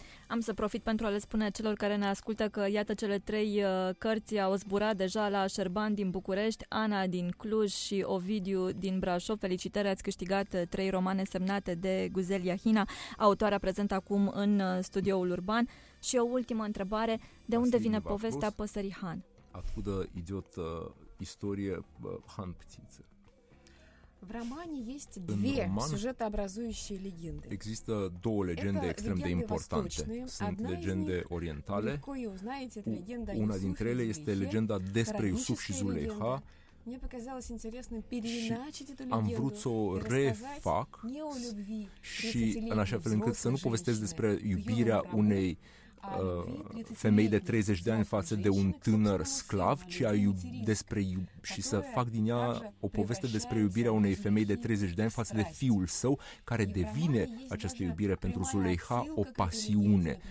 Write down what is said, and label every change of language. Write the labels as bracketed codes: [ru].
[ro] Am să profit pentru a le spune celor care ne ascultă că iată cele trei cărți au zburat deja la Șerban din București, Ana din Cluj și Ovidiu din Brașov. Felicitări, ați câștigat trei romane semnate de Guzel Iahina, autoarea prezent acum în studioul Urban. Și o ultimă întrebare, de unde vine povestea Păsării Han? Atudă idiotă istorie Han Ptiță. [ru] В романе есть две сюжетообразующие легенды. [ro] Există două legende extrem de importante. Sunt legende orientale. Una dintre ele este legenda despre Iusuf și Zuleiha. [ru] Мне показалось интересным переиначить эту легенду. [ro] Am vrut să o refac. Și în așa fel încât să nu povestesc despre iubirea unei femei de 30 de ani față de un tânăr sclav, ci și să fac din ea o poveste despre iubirea unei femei de 30 de ani față de fiul său, care devine această iubire pentru Zuleiha o pasiune.